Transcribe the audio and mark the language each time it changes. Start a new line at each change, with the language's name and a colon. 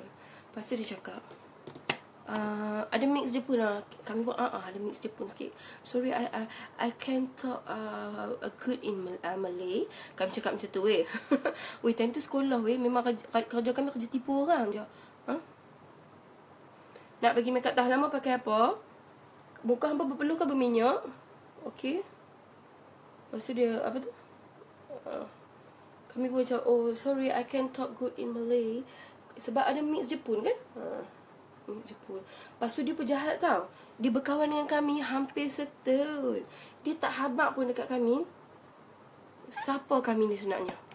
Malay: Lepas tu dia cakap, ada mix Jepun lah. Kami pun, ada mix Jepun sikit.
English: Sorry, I can't talk good in Malay.
Malay: Kami cakap macam tu, weh. Weh, time tu sekolah, weh. Memang kerja kami kerja tipu orang je. Nak bagi makeup tahan lama pakai apa? Muka hampa berpeluh ke berminyak? Okay. Lepas tu dia, apa tu? Kami pun macam,
English: sorry, I can't talk good in Malay.
Malay: Sebab ada mix Jepun kan? Mix Jepun. Lepas tu dia pun jahat tau. Dia berkawan dengan kami hampir setahun. Dia tak habak pun dekat kami. Siapa kami ni sebenarnya?